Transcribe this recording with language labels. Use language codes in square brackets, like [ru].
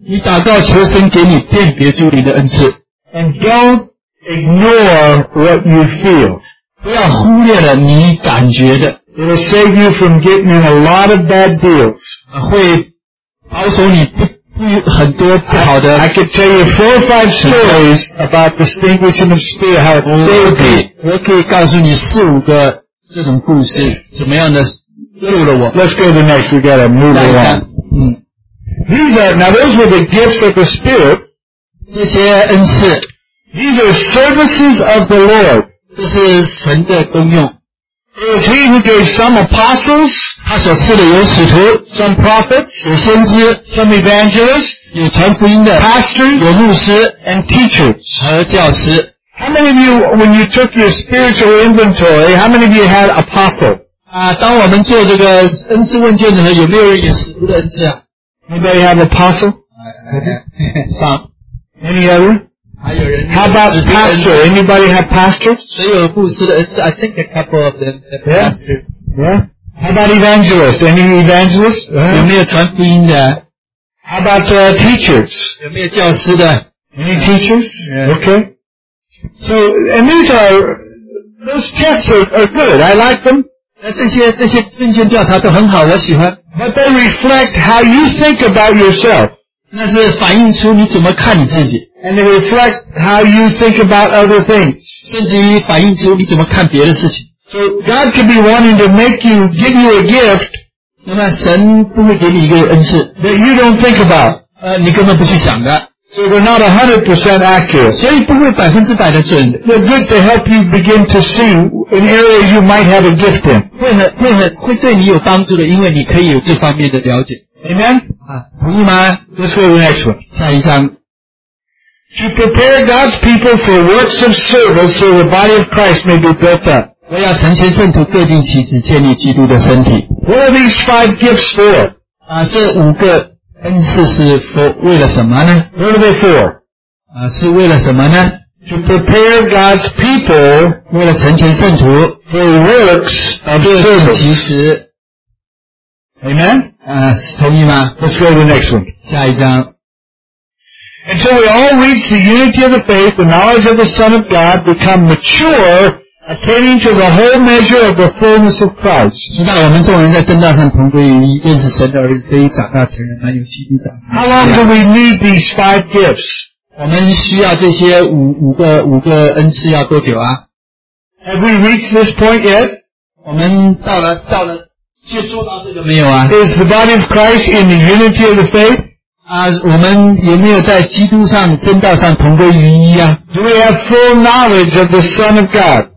[zh] 你祷告求神给你辨别诸灵的恩赐。 [en] And don't ignore what you feel. [zh] 不要忽略了你感觉的。 [en] It'll save you from getting in a lot of bad deals. [zh] 会保守你很多不好的 [en] I could tell you 4 or 5 stories about distinguishing of spirit how it's so deep [zh] 我可以告诉你4、5个这种故事怎么样的救了我 [en] Let's go to the next we've got to move along Those were the gifts of the spirit [zh] 这些恩赐 [en] These are services of the Lord [zh] 这是神的功用 [en] It was he who gave some apostles [zh] 他所赐的有使徒 [en] some prophets [zh] 有先知 [en] some evangelists [zh] 有传福音的 [en] pastors [zh] 有牧师 [en] and teachers [zh] 和教师 [en] How many of you when you took your spiritual inventory how many of you had apostle [zh] 当我们做这个恩赐问卷的时候有没有人有使徒的恩赐 [en] Anybody have apostle some Any other How about pastor? Anybody have pastors? I think a couple of them have pastors. Yeah. How about evangelists? Any evangelists? [zh] 有没有传福音的? [en] How about teachers? [zh] 有没有教师的? [en] Any teachers? Yeah. Okay. So, and those tests are good. I like them. [zh] 这些问卷调查都很好，我喜欢。 [en] But they reflect how you think about yourself. [zh] 那是反映出你怎么看你自己。 [en] And it reflects how you think about other things. [zh] 甚至于反映出你怎么看别的事情。 [en] So God could be wanting to give you a gift. [zh] 那么神不会给你一个恩赐。 [en] That you don't think about. [zh] 你根本不去想的。 [en] So they're not 100% accurate. [zh] 所以不会100%的准。 [en] They're good to help you begin to see an area you might have a gift in. [zh] 会对你有帮助的，因为你可以有这方面的了解。 [en] Amen? [zh] 同意吗? [en] Let's go to the next one. [zh] 下一章。 [en] To prepare God's people for works of service so the body of Christ may be built up. [zh] 我要成全圣徒各尽其职建立基督的身体。 [en] What are these five gifts for? [zh] 这五个恩赐是 for, 为了什么呢? [en] What are they for? [zh] 是为了什么呢? [en] To prepare God's people [zh] 为了成全圣徒 [en] for works of service. Amen? [zh] 同意吗? [en] Let's go to the next one. [zh] 下一章。 [en] Until we all reach the unity of the faith, the knowledge of the Son of God, become mature, attaining to the whole measure of the fullness of Christ. [zh] 直到我们众人在正道上同归于一，认识神的儿子，得以长大成人，满有基督长成。 [en] How long do we need these five gifts? [zh] 我们需要这些五个恩赐要多久啊? [en] Have we reached this point yet? [zh] 我们到了接触到这个没有啊? [en] Is the body of Christ in the unity of the faith? [zh] 我们有没有在基督上真道上同归于一啊? [en] Do we have full knowledge of the Son of God?